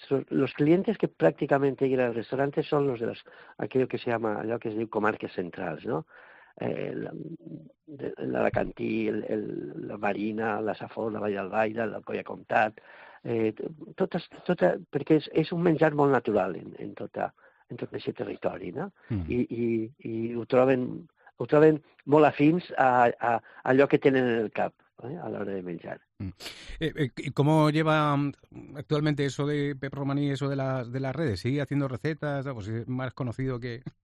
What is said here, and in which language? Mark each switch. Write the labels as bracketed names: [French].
[Spanish] Los clientes que prácticamente llegan al restaurante son los de aquello que se llama comarcas centrales, ¿no? [Catalan] La Alacantí, la Marina, la Safor, la Vall d'Albaida, la Coia Comtat, perquè és un menjar molt natural en tot aquest territori, no? I ho troben molt afins a allò que tenen en el cap, a l'hora de menjar. [Spanish] ¿Cómo lleva actualmente eso de Pep Romaní, eso de las redes? ¿Sigue haciendo recetas? Pues es más conocido que...